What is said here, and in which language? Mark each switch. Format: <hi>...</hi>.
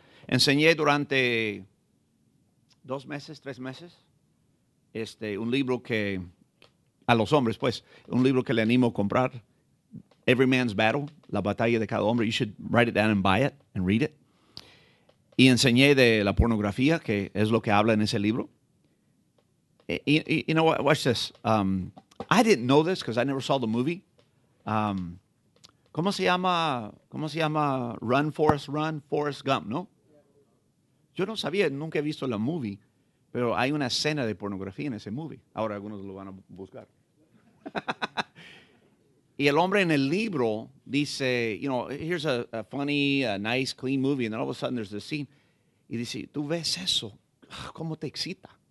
<es>Enseñé durante 2 meses, 3 meses, un libro que, a los hombres pues, un libro que le animo a comprar, Every Man's Battle, la batalla de cada hombre.</es> <en>You should write it down and buy it and read it.</en> <es>Y enseñé de la pornografía, que es lo que habla en ese libro.</es> <en>You know what, watch this. I didn't know this because I never saw the movie.</en> <es>¿Cómo se llama Run, Forrest, Run, Forrest Gump, no? Yo no sabía, nunca he visto la movie, pero hay una escena de pornografía en ese movie. Ahora algunos lo van a buscar. Y el hombre en el libro dice,</es> <en>you know, here's a funny, a nice, clean movie, and then all of a sudden there's this scene.</en> <es>Y dice, ¿tú ves eso? ¿Cómo te excita?</es>